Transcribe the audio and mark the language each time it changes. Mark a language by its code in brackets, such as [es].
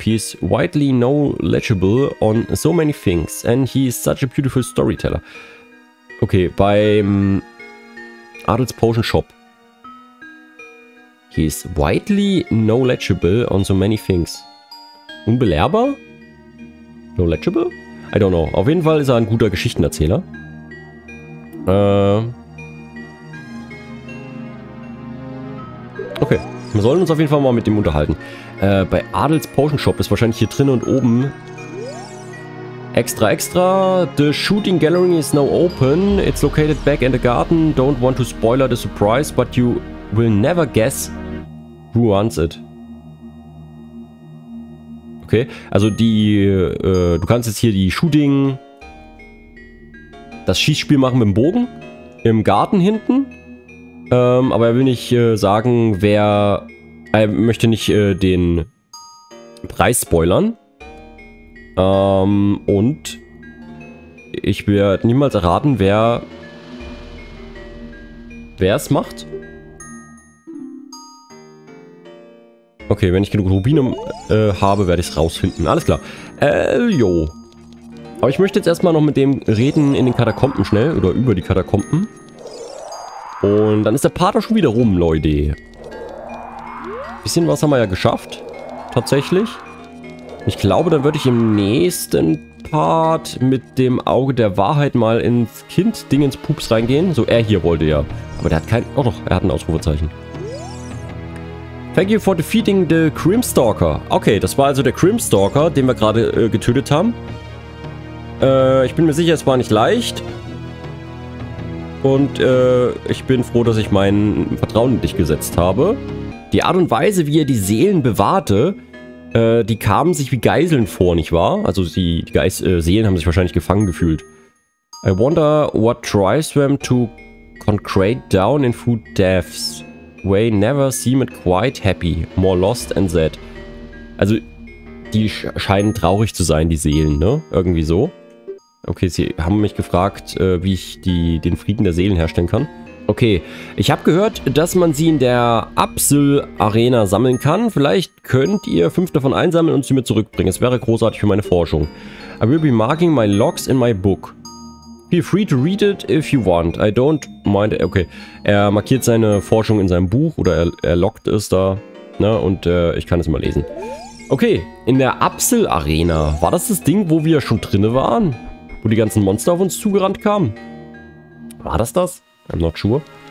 [en] He is widely knowledgeable on so many things and he is such a beautiful storyteller. [de] Okay, beim Adel's Potion Shop. [en] He is widely knowledgeable on so many things. [de] Unbelehrbar? [en] Knowledgeable? I don't know. [de] Auf jeden Fall ist er ein guter Geschichtenerzähler. Okay, wir sollen uns auf jeden Fall mal mit dem unterhalten. Bei Adel's Potion Shop ist wahrscheinlich hier drin und oben. [en] Extra, extra. The shooting gallery is now open. It's located back in the garden. Don't want to spoiler the surprise, but you will never guess who runs it. [de] Okay, also die, du kannst jetzt hier die Shooting, das Schießspiel machen mit dem Bogen im Garten hinten. Aber er will nicht sagen, wer... Er möchte nicht den Preis spoilern. Und ich werde niemals erraten, wer es macht. Okay, wenn ich genug Rubine habe, werde ich es rausfinden. Alles klar. Jo. Aber ich möchte jetzt erstmal noch mit dem reden in den Katakomben schnell. Oder über die Katakomben. Und dann ist der Part schon wieder rum, Leute. Bisschen was haben wir ja geschafft. Tatsächlich. Ich glaube, dann würde ich im nächsten Part mit dem Auge der Wahrheit mal ins Kind-Ding ins Pups reingehen. So, er hier wollte ja. Aber der hat kein... Oh doch, er hat ein Ausrufezeichen. [en] Thank you for defeating the Crimstalker. [de] Okay, das war also der Crimstalker, den wir gerade getötet haben. Ich bin mir sicher, es war nicht leicht. Und ich bin froh, dass ich mein Vertrauen in dich gesetzt habe. Die Art und Weise, wie er die Seelen bewahrte, die kamen sich wie Geiseln vor, nicht wahr? Also Seelen haben sich wahrscheinlich gefangen gefühlt. [en] I wonder what drives them to concrete down in food depths. They never seemed quite happy, more lost and sad. [de] Also die scheinen traurig zu sein, die Seelen, ne? Irgendwie so. Okay, sie haben mich gefragt, wie ich den Frieden der Seelen herstellen kann. Okay, ich habe gehört, dass man sie in der Absil-Arena sammeln kann. Vielleicht könnt ihr 5 davon einsammeln und sie mir zurückbringen. Es wäre großartig für meine Forschung. [en] I will be marking my logs in my book. Feel free to read it if you want. I don't mind. [de] Okay, er markiert seine Forschung in seinem Buch oder er loggt es da. Ne? Und ich kann es mal lesen. Okay, in der Absil-Arena. War das das Ding, wo wir schon drinne waren? Wo die ganzen Monster auf uns zugerannt kamen. War das das? [en] I'm not sure.